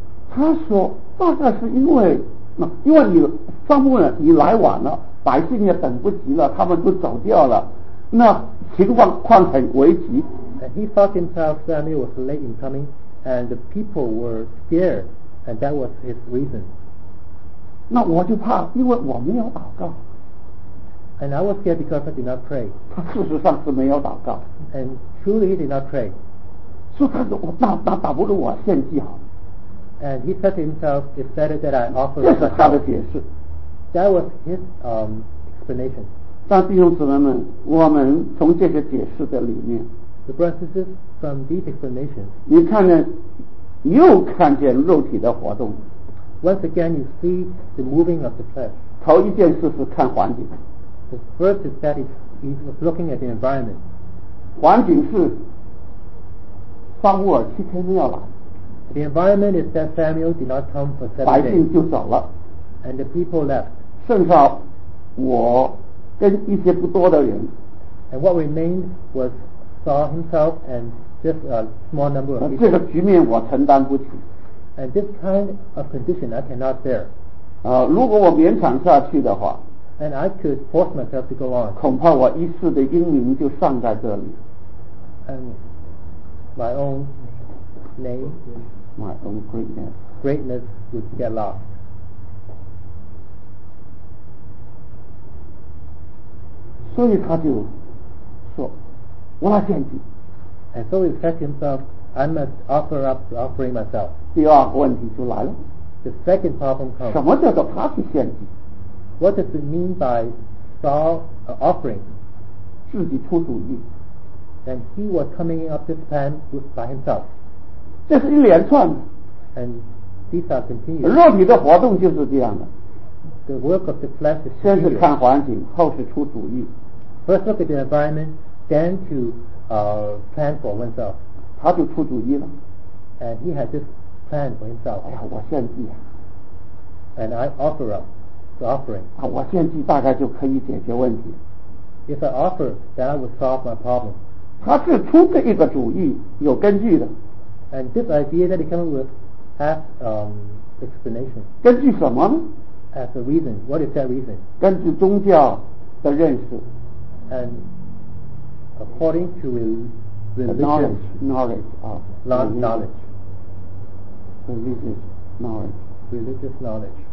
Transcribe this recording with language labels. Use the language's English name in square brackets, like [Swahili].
[Chinese] 他说大概是因为你撒母耳你来晚了，百姓也等不及了，他们都走掉了，那情况很危急。 [English] And he thought himself Samuel was late in coming, and the people were scared, and that was his reason. [Chinese] 那我就怕，因为我没有祷告。 [English] And I was scared because I did not pray. [Chinese] 他事实上是没有祷告。 [English] And truly he did not pray. [Chinese] 说他说那打不如我献祭好。 [English] And he said to himself, it's better that I offer. [Chinese] 这是他的解释。 [English] That was his explanation. [Chinese] 但弟兄姊妹们，我们从这些解释的里面。 [English] The processes from these explanations. [Chinese] 你看见，又看见肉体的活动。 [English] Once again, you see the moving of the flesh. [Chinese] 头一件事是看环境。 [English] The first is that it's looking at the environment. [Chinese] 环境是撒母耳七天没有来。 [English] The environment is that Samuel did not come for 7 days. [Chinese] 百姓就走了。 [English] And the people left. [Chinese] 剩下我跟一些不多的人。 [English] And what remained was. Saw himself and just a small number of people. [Chinese] 这个局面我承担不起。 [English] And this kind of condition I cannot bear. [Chinese] 如果我勉强下去的话， [English] And I could force myself to go on. [Chinese] 恐怕我一世的英名就丧在这里。 [English] And my own name, my own greatness, greatness would get lost. [Chinese] 所以他就说我来献祭。 [English] And so he said himself, I must offer up the offering myself. [Chinese] 第二个问题就来了。 [English] The second problem comes. [Chinese] 什么叫做他去献祭？ [English] What does it mean by Saul offering? [Chinese] 自己出主意。 [English] And he was coming up this plan by himself. [Chinese] 这是一连串。 [English] And these are continued. [Chinese] 肉体的活动就是这样的。 [English] The work of the flesh is [Chinese] 先是看环境，后是出主意。 [English] First look at the environment, then to plan for oneself. [Chinese] 他就出主意了。 [English] And he had this plan for himself. [Chinese] 哎呀，我献祭啊。 [English] And I offer up the offering. [Chinese] 啊，我献祭大概就可以解决问题。 [English] If I offer, then I would solve my problem. [Chinese] 他是出这一个主意，有根据的。 [English] And this idea that he came up with has explanation. [Chinese] 根据什么呢？ [English] As a reason, what is that reason? [Chinese] 根据宗教的认识 [English] ，and according to religious knowledge.